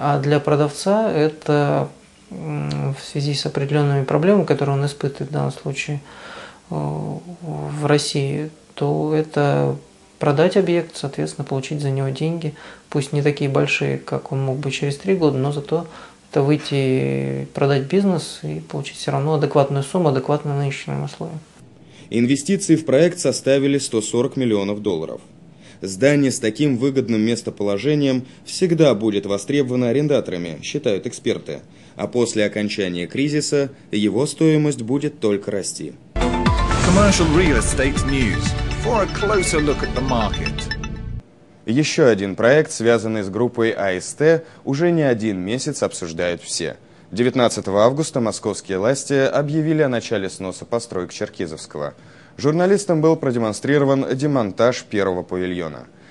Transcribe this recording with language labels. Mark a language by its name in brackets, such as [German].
[Russian] А для продавца это в связи с определенными проблемами, которые он испытывает в данном случае в России, то это продать объект, соответственно, получить за него деньги, пусть не такие большие, как он мог бы через 3 года, но зато это выйти, продать бизнес и получить все равно адекватную сумму, адекватные нынешним условиям. Инвестиции в проект составили 140 миллионов долларов. Здание с таким выгодным местоположением всегда будет востребовано арендаторами, считают эксперты. А после окончания кризиса его стоимость будет только расти. [English] Commercial Real Estate News. For a closer look at the market. [Russian] Еще один проект, связанный с группой АСТ, уже не один месяц обсуждают все. 19 августа московские власти объявили о начале сноса построек Черкизовского. Журналистам был продемонстрирован демонтаж первого павильона.